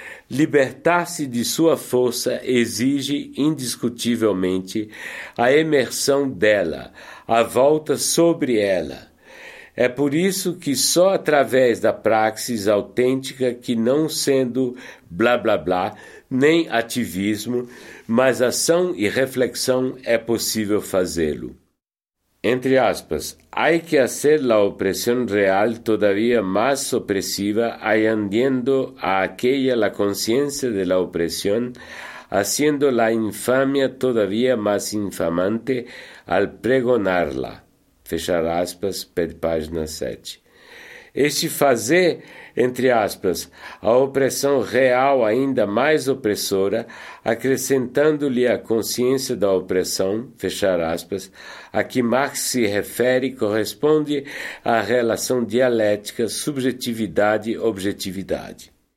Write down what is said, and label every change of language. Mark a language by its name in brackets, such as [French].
[Portuguese] Libertar-se de sua força exige, indiscutivelmente, a imersão dela, a volta sobre ela. É por isso que só através da praxis autêntica, que não sendo blá blá blá, nem ativismo, mas ação e reflexão, é possível fazê-lo. Entre aspas, [Spanish] hay que hacer la opresión real todavía más opresiva añadiendo a aquella la conciencia de la opresión, haciendo la infamia todavía más infamante al pregonarla. [Portuguese] Fechar aspas, pede página 7. Este fazer, entre aspas, a opressão real ainda mais opressora, acrescentando-lhe a consciência da opressão, fechar aspas, a que Marx se refere corresponde à relação dialética subjetividade-objetividade.